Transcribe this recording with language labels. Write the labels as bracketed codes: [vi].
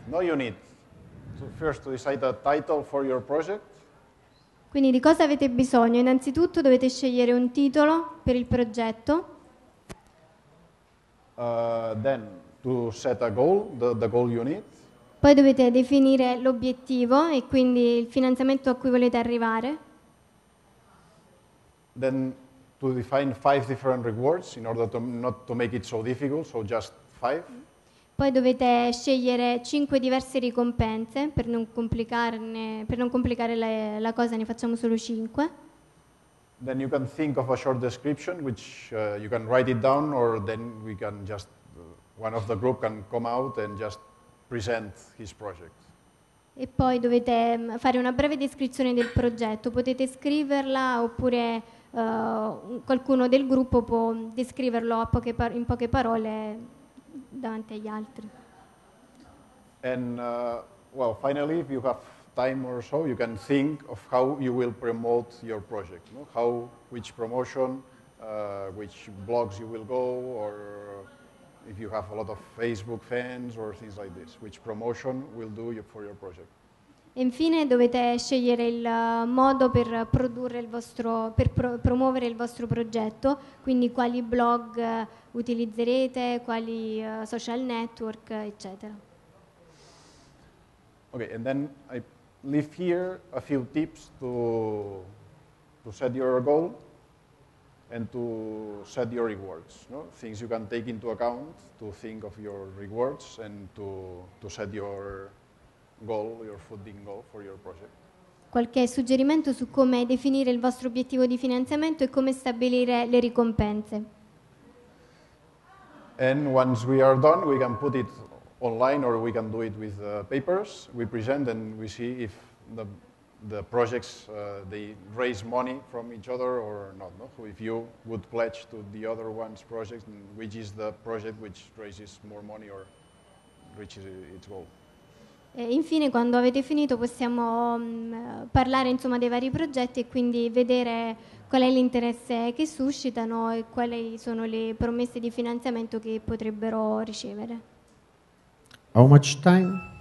[en] No, you need to first to decide a title for your project. [it] Quindi di cosa avete bisogno? Innanzitutto dovete scegliere un titolo per il progetto. [en] Then to set a goal, the goal you need. [it] Poi dovete definire l'obiettivo e quindi il finanziamento a cui volete arrivare. [en] Then to define five different rewards in order to not to make it so difficult, so just five. [it] Poi dovete scegliere cinque diverse ricompense per non complicare la cosa, ne facciamo solo cinque. [en] Then you can think of a short description which you can write it down, or then we can just one of the group can come out and just present his project. [it] E poi dovete fare una breve descrizione del progetto, potete scriverla oppure qualcuno del gruppo può descriverlo in poche parole davanti agli altri. [en] And well, finally, if you have time or so, you can think of how you will promote your project. No? How, which promotion, which blogs you will go, or if you have a lot of Facebook fans or things like this, which promotion will do you for your project. [it] Infine dovete scegliere il modo per produrre il vostro, per promuovere il vostro progetto, quindi quali blog utilizzerete, quali social network, eccetera. [en] Okay, and then I leave here a few tips to set your goal and to set your rewards, no? Things you can take into account to think of your rewards and to set your goal, your funding goal for your project. [it] Qualche suggerimento su come definire il vostro obiettivo di finanziamento e come stabilire le ricompense. [en] And once we are done, we can put it online or we can do it with papers. We present and we see if the projects they raise money from each other or not. No? So if you would pledge to the other one's project, which is the project which raises more money or reaches its goal. [it] E infine, quando avete finito, possiamo parlare insomma dei vari progetti e quindi vedere qual è l'interesse che suscitano e quali sono le promesse di finanziamento che potrebbero ricevere. [en] How much time?